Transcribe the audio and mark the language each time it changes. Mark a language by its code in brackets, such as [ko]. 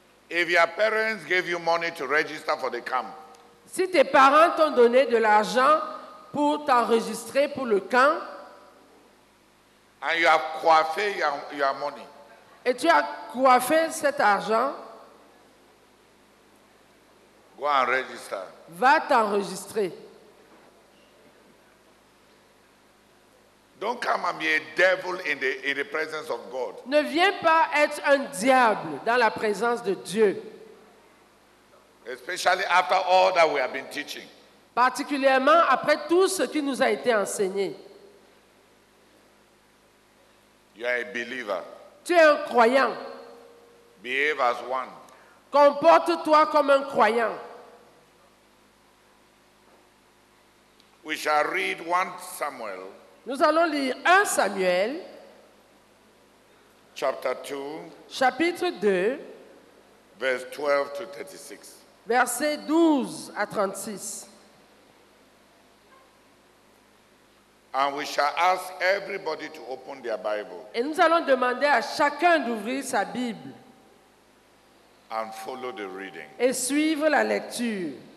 [en] If your parents gave you money to register for the camp, [fr] si tes parents t'ont donné de l'argent pour t'enregistrer pour le camp, [en] and you have coiffé your money, [fr] et tu as coiffé cet argent, [en] go and register. [fr] Va t'enregistrer. [en] Don't come and be a devil in the presence of God. [fr] Ne viens pas être un diable dans la présence de Dieu. [en] Especially after all that we have been teaching. [fr] Particulièrement après tout ce qui nous a été enseigné. [en] You are a believer. [fr] Tu es un croyant. [en] Behave as one. [fr] Comporte-toi comme un croyant. [en] We shall read 1 Samuel. [fr] Nous allons lire 1 Samuel, [en] chapter 2, [fr] chapitre 2, [en] verse 12 to 36. [fr] Verset 12 à 36. [en] And we shall ask everybody to open their Bible. [fr] Et nous allons demander à chacun d'ouvrir sa Bible. [en] And follow the reading. [fr] Et suivre la lecture.